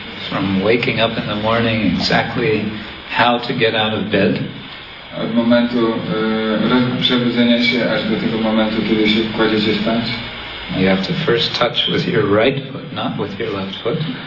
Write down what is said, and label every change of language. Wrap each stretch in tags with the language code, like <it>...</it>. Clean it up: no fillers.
<en>From waking up in the morning, exactly how to get out of bed.</en> <pl>Od momentu przebudzenia się aż do tego momentu, kiedy się kładziecie spać.</pl> <en>You have to first touch with your right foot, not with your left foot.</en>